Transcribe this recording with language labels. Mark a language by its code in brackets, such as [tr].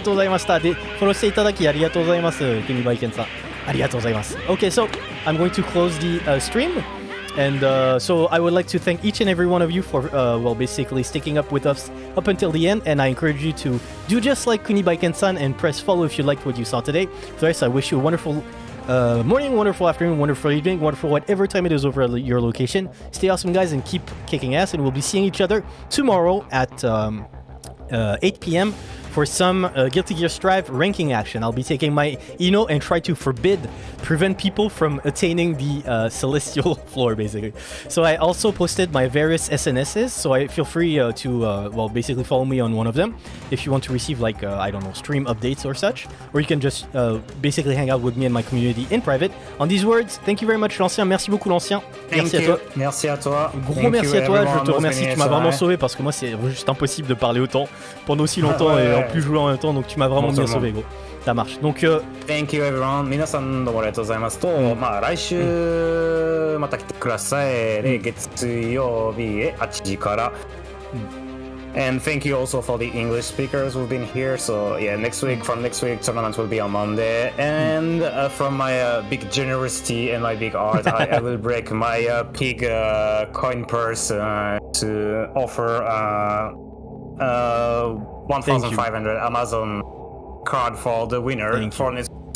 [ja] 大会運営をお疲れ様でした。楽しかったです。ありがとうございます。持田さん、本当に楽しかったです。ご参加いただきありがとうございます。じゃあ、これで、何、ストリーミングを終了させていただきます。ご参加いただいた、方々に、すごく感謝しております。ありがとうございました。また、よろしければ、次の大会にも、ご参加いただければと思いますので、よろしくお願いいたします。カエンさん、ありがとうございました。ありがとうございました。で、フォローしていただき、ありがとうございます。キミバイケンさん。ありがとうございます。 [en] OK, so I would like to thank each and every one of you for, well, basically sticking up with us up until the end, and I encourage you to do just like Kunio Baiken-san and press follow if you liked what you saw today. First, I wish you a wonderful morning, wonderful afternoon, wonderful evening, wonderful whatever time it is over your location. Stay awesome, guys, and keep kicking ass, and we'll be seeing each other tomorrow at 8 p.m. for some Guilty Gear Strive ranking action. I'll be taking my Eno and try to prevent people from attaining the celestial floor, basically. So I also posted my various SNSs, so I feel free to, basically follow me on one of them if you want to receive, like, I don't know, stream updates or such. Or you can just basically hang out with me and my community in private. On these words, thank you very much, l'ancien. [fr] Merci beaucoup, l'ancien. Merci à toi. Merci à toi. Gros merci à toi. Je te remercie. Tu m'as vraiment sauvé parce que moi, c'est juste impossible de parler autant pendant aussi longtemps et en plus jouer en même temps. Donc, tu m'as vraiment bien sauvé, gros. Ça marche. Donc, [en] thank you everyone. [ja] 皆さんどうもありがとうございます。と、まあ来週また来てください。月曜日へ8時から。 [en] And thank you also for the English speakers who've been here. So yeah, next week, tournament will be on Monday. And from my big generosity and my big art, I will break my pig coin purse to offer 1,500 Amazon card for the winner for next week.